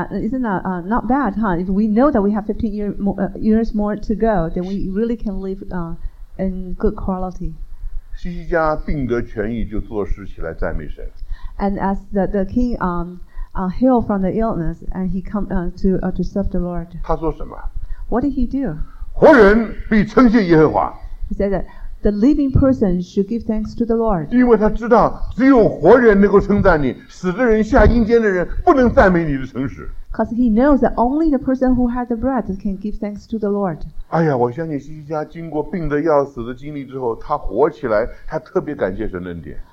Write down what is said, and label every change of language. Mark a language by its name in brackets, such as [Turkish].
[English] Isn't that not bad? Huh? If we know that we have 15 years more to go, then we really can live in good quality. [Chinese] 西西家病得痊愈，就作诗起来赞美神。 [English] And as the king healed from the illness, and he come to serve the Lord. [Chinese] 他说什么 [English] ？What did he do？ [Chinese] 活人必称谢耶和华。 [English] He said that the living person should give thanks to the Lord. [Chinese] 因为他知道，只有活人能够称赞你，死的人下阴间的人不能赞美你的诚实。 [English] Because he knows that only the person who had the breath can give thanks to the Lord. [Chinese] 哎呀，我相信西西家经过病得要死的经历之后，他活起来，他特别感谢神恩典。